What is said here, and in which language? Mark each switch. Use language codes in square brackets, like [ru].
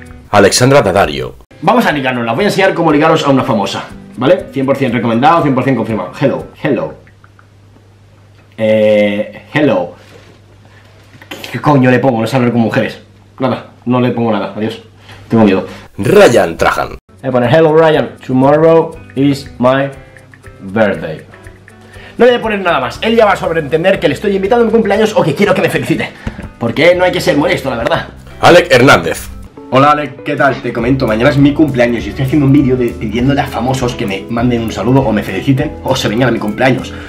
[es] Alexandra Daddario. Vamos a ligarnos. Voy a enseñar cómo ligaros a una famosa. ¿Vale? 100% recomendado, 100% confirmado. [en] Hello, hello. Hello. [es] ¿Qué coño le pongo? No sé hablar con mujeres. Nada, no le pongo nada, adiós. Tengo miedo. Ryan Trahan. Voy a poner [en] hello Ryan, tomorrow is my birthday. [es] No le voy a poner nada más, él ya va a sobreentender que le estoy invitando a mi cumpleaños o que quiero que me felicite. Porque no hay que ser molesto, la verdad. Alec Hernández. Hola Alec, ¿qué tal? Te comento, mañana es mi cumpleaños y estoy haciendo un vídeo pidiéndole a famosos que me manden un saludo o me feliciten o se vengan a mi cumpleaños.